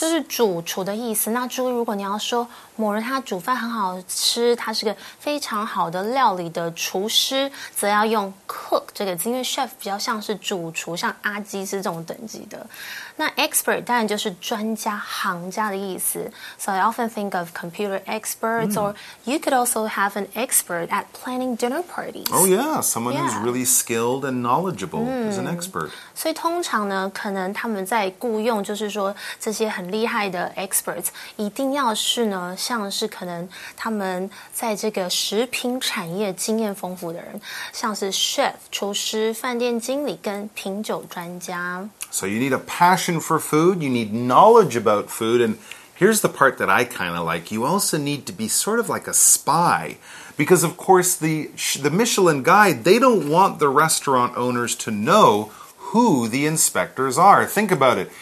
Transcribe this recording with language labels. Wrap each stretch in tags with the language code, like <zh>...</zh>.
<zh>就是主厨的意思。那注意，如果你要说某人他煮饭很好吃，他是个非常好的料理的厨师，则要用 cook 这个字，因为 chef 比较像是主厨，像阿基斯这种等级的。那 expert 当然就是专家、行家的意思。</zh> <en>So I often think of computer experts, or you could also have an expert at planning dinner parties. Oh yeah, someone who's really skilled and knowledgeable is an expert.</en> <zh>所以通常呢，可能他们在雇用就是说这些很厉害的 experts 一定要是呢像是可能他们在这个食品产业经验丰富的人像是 chef 厨师饭店经理跟品酒专家</zh> <en>So you need a passion for food you need knowledge about food and here's the part that I kind of like you also need to be sort of like a spy because of course the Michelin guide they don't want the restaurant owners to knowwho the inspectors are. Think about it.</en>